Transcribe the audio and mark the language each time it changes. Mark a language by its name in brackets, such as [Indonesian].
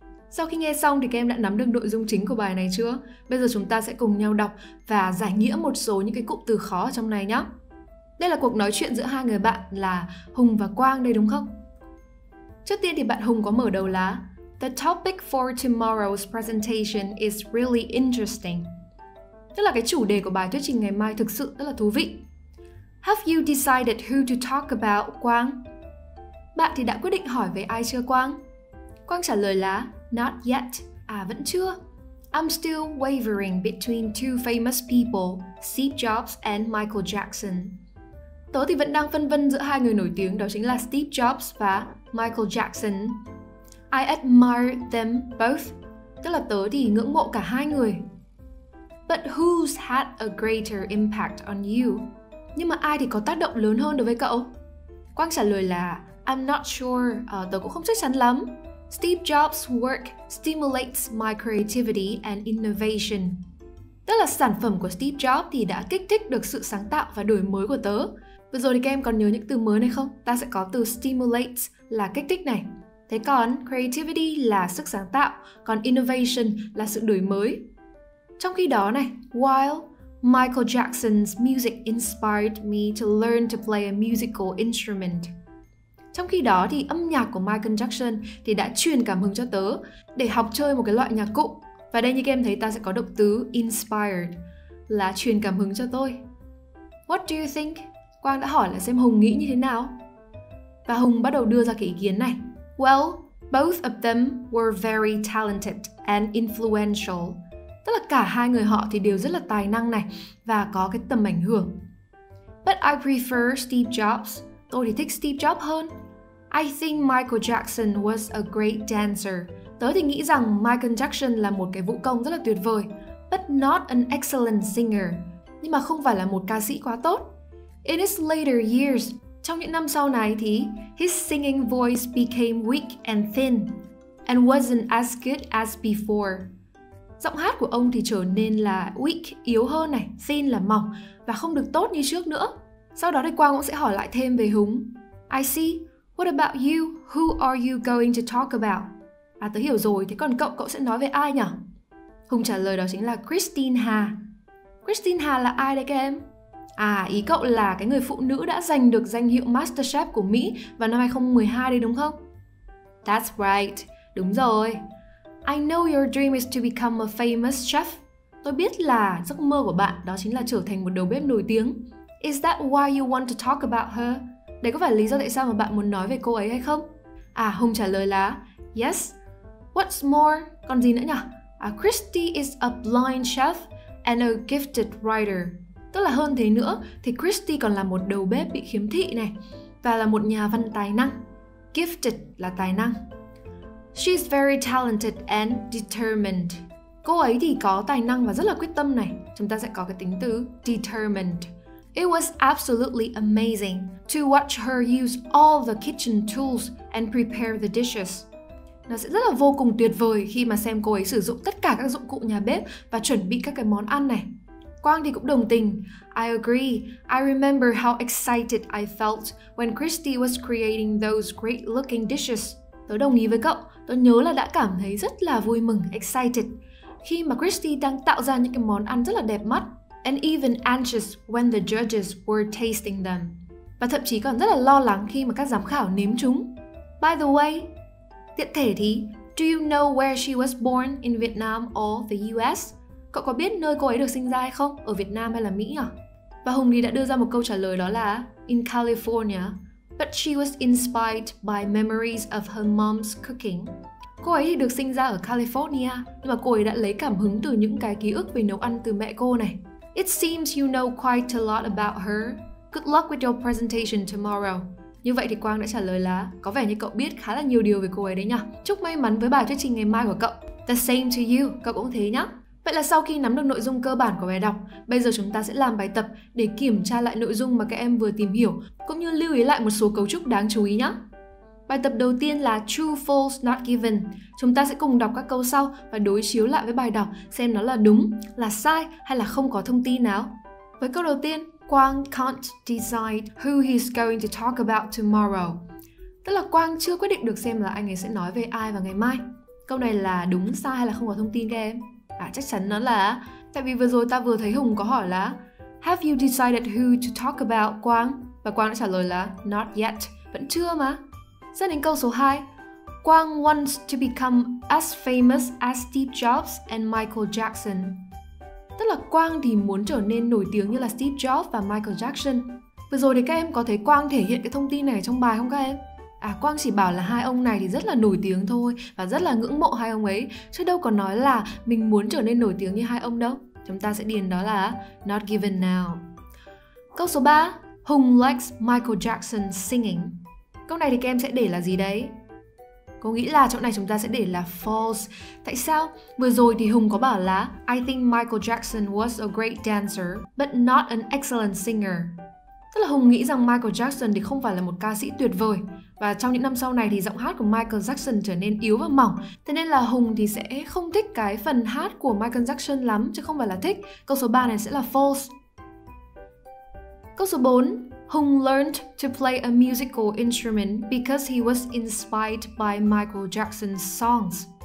[Vietnamese] Sau khi nghe xong thì các em đã nắm được nội dung chính của bài này chưa? Bây giờ chúng ta sẽ cùng nhau đọc và giải nghĩa một số những cái cụm từ khó ở trong này nhé. Đây là cuộc nói chuyện giữa hai người bạn là Hùng và Quang đây đúng không? Trước tiên thì bạn Hùng có mở đầu là [English] The topic for tomorrow's presentation is really interesting. [Vietnamese] Tức là cái chủ đề của bài thuyết trình ngày mai thực sự rất là thú vị. [English] Have you decided who to talk about, Quang? [Vietnamese] Bạn thì đã quyết định hỏi về ai chưa, Quang? Quang trả lời là [English] not yet. [Vietnamese] À, vẫn chưa. [English] I'm still wavering between two famous people, Steve Jobs and Michael Jackson. [Vietnamese] Tớ thì vẫn đang phân vân giữa hai người nổi tiếng, đó chính là Steve Jobs và Michael Jackson. [English] I admire them both. [Vietnamese] Tức là tớ thì ngưỡng mộ cả hai người. [English] But who's had a greater impact on you? [Vietnamese] Nhưng mà ai thì có tác động lớn hơn đối với cậu? Quang trả lời là [English] I'm not sure, [Vietnamese] tớ cũng không chắc chắn lắm. [English] Steve Jobs' work stimulates my creativity and innovation. [Vietnamese] Tức là sản phẩm của Steve Jobs thì đã kích thích được sự sáng tạo và đổi mới của tớ. Vừa rồi thì các em còn nhớ những từ mới này không? Ta sẽ có từ stimulate là kích thích này. Thế còn creativity là sức sáng tạo, còn innovation là sự đổi mới. Trong khi đó này, [English] while Michael Jackson's music inspired me to learn to play a musical instrument. [Vietnamese] Trong khi đó thì âm nhạc của Michael Jackson thì đã truyền cảm hứng cho tớ để học chơi một cái loại nhạc cụ. Và đây như các em thấy ta sẽ có động từ inspired là truyền cảm hứng cho tôi. [English] What do you think? [Vietnamese] Quang đã hỏi là xem Hùng nghĩ như thế nào. Và Hùng bắt đầu đưa ra cái ý kiến này. [English] Well, both of them were very talented and influential. [Vietnamese] Tức là cả hai người họ thì đều rất là tài năng này và có cái tầm ảnh hưởng. [English] But I prefer Steve Jobs. [Vietnamese] Tôi thì thích Steve Jobs hơn. [English] I think Michael Jackson was a great dancer. [Vietnamese] Tớ thì nghĩ rằng Michael Jackson là một cái vũ công rất là tuyệt vời. [English] But not an excellent singer. [Vietnamese] Nhưng mà không phải là một ca sĩ quá tốt. [English] In his later years, [Vietnamese] trong những năm sau này thì [English] his singing voice became weak and thin and wasn't as good as before. [Vietnamese] Giọng hát của ông thì trở nên là weak, yếu hơn này, thin là mỏng và không được tốt như trước nữa. Sau đó thì Quang cũng sẽ hỏi lại thêm về Hùng. [English] I see. What about you? Who are you going to talk about? [Vietnamese] À, tớ hiểu rồi. Thế còn cậu sẽ nói về ai nhỉ? Hùng trả lời đó chính là Christine Hà. Christine Hà là ai đấy các em? À, ý cậu là cái người phụ nữ đã giành được danh hiệu MasterChef của Mỹ vào năm 2012 đi đúng không? [English] That's right. [Vietnamese] Đúng rồi. [English] I know your dream is to become a famous chef. [Vietnamese] Tôi biết là giấc mơ của bạn đó chính là trở thành một đầu bếp nổi tiếng. [English] Is that why you want to talk about her? [Vietnamese] Đấy có phải lý do tại sao mà bạn muốn nói về cô ấy hay không? À, Hùng trả lời là yes. [English] What's more? [Vietnamese] Còn gì nữa nhỉ? [English] À, Christy is a blind chef and a gifted writer. [Vietnamese] Tức là hơn thế nữa thì Christy còn là một đầu bếp bị khiếm thị này và là một nhà văn tài năng. [English] Gifted [Vietnamese] là tài năng. [English] She's very talented and determined. [Vietnamese] Cô ấy thì có tài năng và rất là quyết tâm này. Chúng ta sẽ có cái tính từ determined. [English] It was absolutely amazing to watch her use all the kitchen tools and prepare the dishes. [Vietnamese] Nó sẽ rất là vô cùng tuyệt vời khi mà xem cô ấy sử dụng tất cả các dụng cụ nhà bếp và chuẩn bị các cái món ăn này. Quang thì cũng đồng tình. [English] I agree. I remember how excited I felt when Christy was creating those great looking dishes. [Vietnamese] Tớ đồng ý với cậu, tớ nhớ là đã cảm thấy rất là vui mừng, excited khi mà Christy đang tạo ra những cái món ăn rất là đẹp mắt. [English] And even anxious when the judges were tasting them. [Vietnamese] Và thậm chí còn rất là lo lắng khi mà các giám khảo nếm chúng. [English] By the way, [Vietnamese] tiện thể thì, [English] do you know where she was born in Vietnam or the US? [Vietnamese] Cậu có biết nơi cô ấy được sinh ra hay không? Ở Việt Nam hay là Mỹ à? Và Hùng thì đã đưa ra một câu trả lời đó là [English] in California. But she was inspired by memories of her mom's cooking. [Vietnamese] Cô ấy thì được sinh ra ở California, nhưng mà cô ấy đã lấy cảm hứng từ những cái ký ức về nấu ăn từ mẹ cô này. [English] It seems you know quite a lot about her. Good luck with your presentation tomorrow. [Vietnamese] Như vậy thì Quang đã trả lời là có vẻ như cậu biết khá là nhiều điều về cô ấy đấy nhỉ. Chúc may mắn với bài thuyết trình ngày mai của cậu. [English] The same to you, [Vietnamese] cậu cũng thế nhá. Vậy là sau khi nắm được nội dung cơ bản của bài đọc, bây giờ chúng ta sẽ làm bài tập để kiểm tra lại nội dung mà các em vừa tìm hiểu, cũng như lưu ý lại một số cấu trúc đáng chú ý nhé. Bài tập đầu tiên là True, False, Not Given. Chúng ta sẽ cùng đọc các câu sau và đối chiếu lại với bài đọc xem nó là đúng, là sai hay là không có thông tin nào. Với câu đầu tiên, [English] Quang can't decide who he's going to talk about tomorrow. [Vietnamese] Tức là Quang chưa quyết định được xem là anh ấy sẽ nói về ai vào ngày mai. Câu này là đúng, sai hay là không có thông tin các em? À, chắc chắn nó là tại vì vừa rồi ta vừa thấy Hùng có hỏi là [English] have you decided who to talk about, Quang? [Vietnamese] Và Quang đã trả lời là [English] not yet, [Vietnamese] vẫn chưa mà. Sang đến câu số 2, [English] Quang wants to become as famous as Steve Jobs and Michael Jackson. [Vietnamese] Tức là Quang thì muốn trở nên nổi tiếng như là Steve Jobs và Michael Jackson. Vừa rồi thì các em có thấy Quang thể hiện cái thông tin này trong bài không các em? À, Quang chỉ bảo là hai ông này thì rất là nổi tiếng thôi và rất là ngưỡng mộ hai ông ấy, chứ đâu có nói là mình muốn trở nên nổi tiếng như hai ông đâu. Chúng ta sẽ điền đó là not given now. Câu số 3, [English] Hùng likes Michael Jackson singing. [Vietnamese] Câu này thì các em sẽ để là gì đấy? Cô nghĩ là chỗ này chúng ta sẽ để là false. Tại sao? Vừa rồi thì Hùng có bảo là [English] I think Michael Jackson was a great dancer, but not an excellent singer. [Vietnamese] Tức là Hùng nghĩ rằng Michael Jackson thì không phải là một ca sĩ tuyệt vời. Và trong những năm sau này thì giọng hát của Michael Jackson trở nên yếu và mỏng. Thế nên là Hùng thì sẽ không thích cái phần hát của Michael Jackson lắm, chứ không phải là thích. Câu số 3 này sẽ là false. Câu số 4, [English] Hùng learned to play a musical instrument because he was inspired by Michael Jackson's songs.